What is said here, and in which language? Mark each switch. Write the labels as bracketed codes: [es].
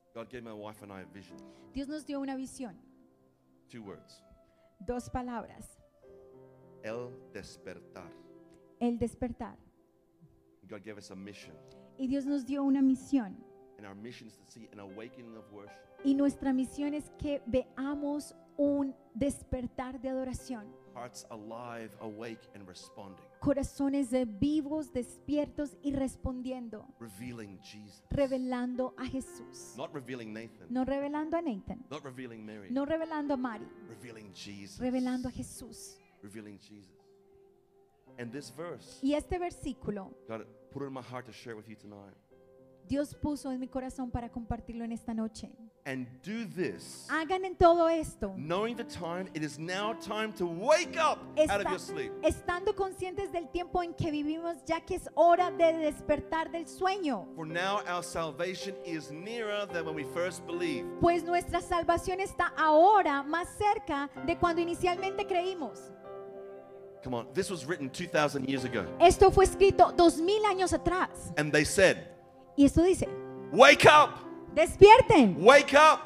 [en] God gave my wife and I a vision. [es] Dios nos dio una visión. [en] Two words. [es] Dos palabras. El despertar. El despertar. [en] God gave us a mission. [es] Y Dios nos dio una misión. [en] And our mission is to see an awakening of worship. [es] Y nuestra misión es que veamos un despertar de adoración. [en] Hearts alive, awake, and responding. [es] Corazones vivos, despiertos y respondiendo. [en] Revealing Jesus. [es] Revelando a Jesús. [en] Not revealing Nathan. [es] No revelando a Nathan. [en] Not revealing Mary. [es] No revelando a Mary. [en] Revealing Jesus. [es] Revelando a Jesús. [en] Revealing Jesus. And this verse. [es] Y este versículo. [en] God put it in my heart to share with you tonight. [es] Dios puso en mi corazón para compartirlo en esta noche. [en] And do this. [es] Hagan en todo esto. [en] Knowing the time, it is now time to wake up out of your sleep. [es] Estando conscientes del tiempo en que vivimos, ya que es hora de despertar del sueño. [en] For now our salvation is nearer than when we first believed. [es] Pues nuestra salvación está ahora más cerca de cuando inicialmente creímos. [en] Come on, this was written 2000 years ago. [es] Esto fue escrito 2000 años atrás. [en] And they said, [es] y esto dice, [en] wake up! [es] Despierten. [en] Wake up!